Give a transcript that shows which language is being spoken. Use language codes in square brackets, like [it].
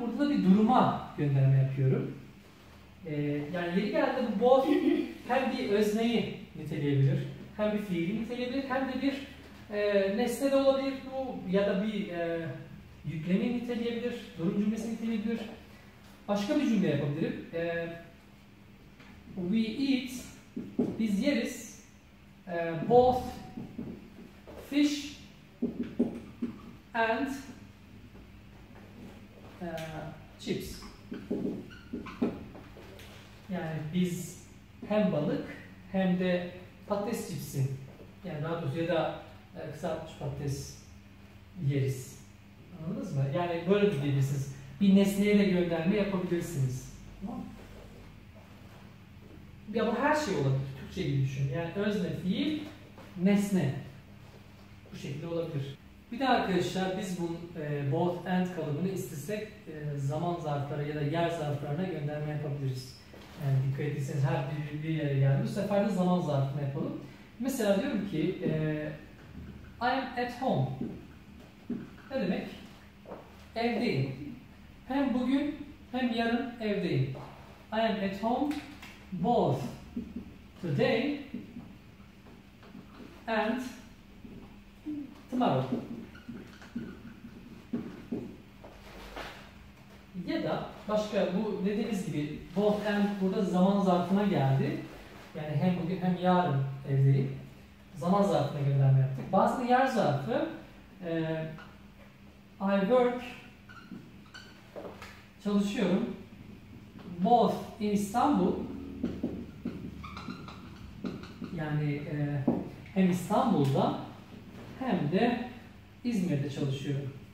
[tr] Burada da bir duruma gönderme yapıyorum. Yani yeri geldi bu both hem bir özneyi niteleyebilir, hem bir fiili niteleyebilir, hem de bir nesne de olabilir bu, ya da bir yüklemeyi niteleyebilir, durum cümlesini niteleyebilir. Başka bir cümle yapabilirim. [en] We eat, [tr] biz yeriz, [en] both fish and chips. [tr] Yani biz hem balık hem de patates cipsi, yani daha doğrusu ya da kısaltmış patates yeriz. Anladınız mı? Yani böyle diyebilirsiniz. Bir nesneye de gönderme yapabilirsiniz. Tamam. Ya bu her şey olabilir. Türkçe gibi düşün. Yani özne, fiil, nesne. Bu şekilde olabilir. Bir de arkadaşlar biz bu both and kalıbını istesek zaman zarfları ya da yer zarflarına gönderme yapabiliriz. Yani dikkat etseniz her bir yere geldi. Bu sefer de zaman zarfını yapalım. Mesela diyorum ki [en] I'm at home. [tr] Ne demek? Evdeyim. Hem bugün hem yarın evdeyim. [en] I am at home both today and tomorrow. [tr] başka bu dediğimiz gibi both and burada zaman zarfına geldi. Yani hem bugün hem yarın evdeyim. Zaman zarfına gönderme yaptık. Bazen yer zarfı [en] I work [tr] çalışıyorum [en] both in İstanbul [tr] yani hem İstanbul'da hem de İzmir'de çalışıyorum.